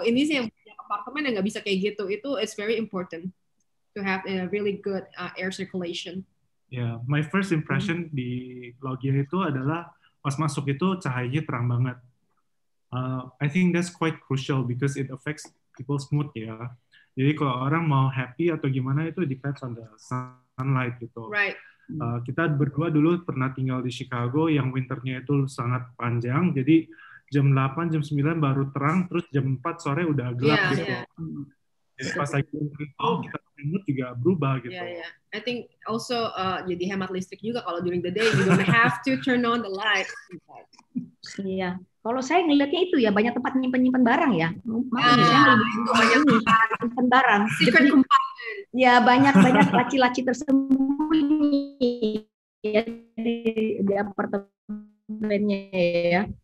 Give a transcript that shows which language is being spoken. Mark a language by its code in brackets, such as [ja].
[id] Ini sih yang apartemen yang nggak bisa kayak gitu, itu [en] it's very important to have a really good air circulation. Yeah, my first impression [id] di Logia itu adalah pas masuk itu cahayanya terang banget. [en] I think that's quite crucial because it affects people's mood ya. [id] Jadi kalau orang mau happy atau gimana itu [en] depends on the sunlight [id] gitu. [en] Right. [id] Kita berdua dulu pernah tinggal di Chicago yang winternya itu sangat panjang. Jadi jam 8, jam 9 baru terang, terus jam 4 sore udah gelap gitu. Jadi pas lagi winter itu kita mood juga berubah gitu. [en] I think also [id] jadi hemat listrik juga kalau [en] during the day you don't have to turn on the light. [id] Kalau saya ngelihatnya itu ya, banyak tempat nyimpan-nyimpan barang ya. Nyimpan barang. [en] Secret compartment. [id] Ya, banyak-banyak laci-laci tersembunyi ya, di apartemennya ya.